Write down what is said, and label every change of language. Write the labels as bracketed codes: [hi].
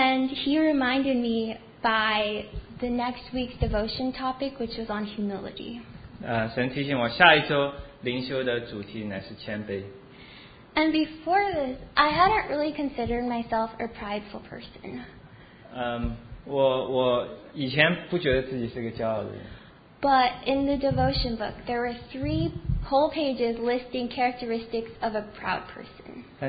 [en] He reminded me by the next week's devotion topic, which was on humility. [zh] 神提醒我，下一周灵修的主题乃是谦卑。And [en] before this, I hadn't really considered myself a prideful person. [zh] 我以前不觉得自己是个骄傲的人。But [en] in the devotion book, there were three whole pages listing characteristics of a proud person.